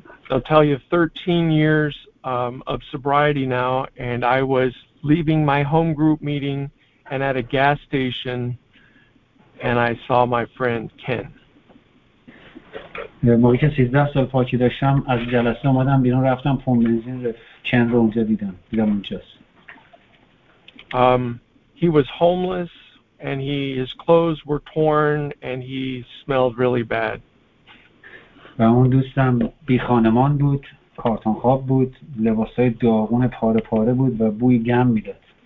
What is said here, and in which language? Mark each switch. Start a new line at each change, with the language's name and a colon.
English: I'll tell you 13 years of sobriety now, and I was leaving my home group meeting and at a gas station, and I saw my friend Ken.
Persian: موقعی که 13 سال پاکی داشتم از جلسه اومدم بیرون رفتم پمپ بنزین کن رو اونجا دیدم اونجاست.
English: He was homeless. And his clothes were torn, and he smelled really bad.
Persian: و اون دوستم بی خانمان بود، کارتون خواب بود، لباسای داغون پاره پاره بود و بوی گم میداد.